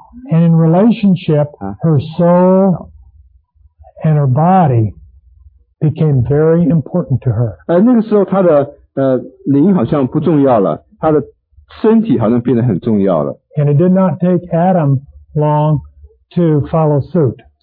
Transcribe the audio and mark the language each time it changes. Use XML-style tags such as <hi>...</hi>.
<en>And in relationship, her soul and her body became very important to her.</en> <zh>那个时候她的灵好像不重要了，她的身体好像变得很重要了。</zh> <en>And it did not take Adam long to follow suit.</en>